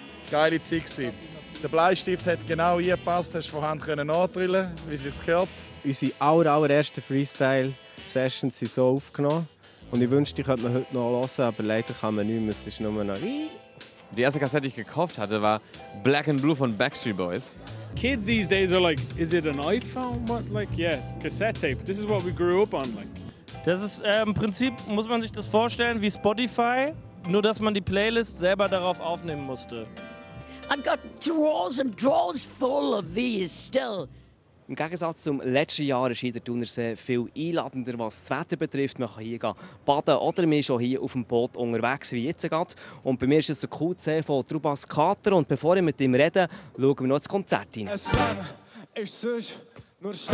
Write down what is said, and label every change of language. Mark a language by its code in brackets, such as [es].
[de] Geile Zeit war. Der Bleistift hat genau eingepasst, hast du von Hand nachdrillen können, wie es sich gehört. Unsere allerersten Freestyle-Sessions sind so aufgenommen. Und ich wünschte, ich könnte man heute noch hören, aber leider kann man nicht mehr. Es ist nur noch... Die erste Kassette, die ich gekauft hatte, war Black and Blue von Backstreet Boys. [en] Kids these days are like, is it an iPhone? But like, yeah, cassette tape. This is what we grew up on. Like. [de] Das ist im Prinzip, muss man sich das vorstellen, wie Spotify. Nur, dass man die Playlist selber darauf aufnehmen musste. [en] I've got drawers and drawers full of these still. [de] Im Gegensatz zum letzten Jahr ist hier der Thunersee viel einladender, was das Wetter betrifft. Man kann hier baden oder man ist auch hier auf dem Boot unterwegs, wie jetzt gerade. Und bei mir ist es ein cooler See von Trubas Kater. Und bevor ich mit ihm rede, schauen wir noch das Konzert rein. Es Leben ist sonst nur schlecht.